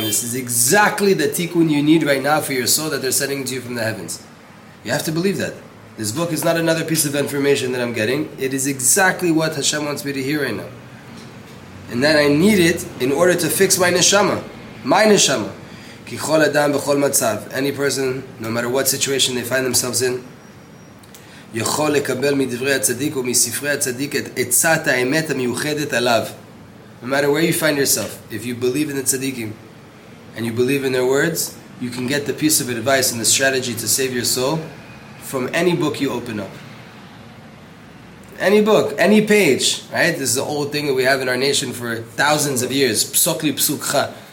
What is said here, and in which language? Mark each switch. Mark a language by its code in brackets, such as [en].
[en] This is exactly the tikun you need right now for your soul that they're sending to you from the heavens. You have to believe that. This book is not another piece of information that I'm getting. It is exactly what Hashem wants me to hear right now. And that I need it in order to fix my neshama. My neshama. [he] Ki chol adam b'chol matzav. [en] Any person, no matter what situation they find themselves in, [he] יכול לקבל מדברי הצדיק ומספרי הצדיק את עצת האמת המיוחדת עליו. [en] No matter where you find yourself, if you believe in the tzaddikim and you believe in their words, you can get the piece of advice and the strategy to save your soul from any book you open up. Any book, any page, right? This is the old thing that we have in our nation for thousands of years. [he] Psok li psukcha.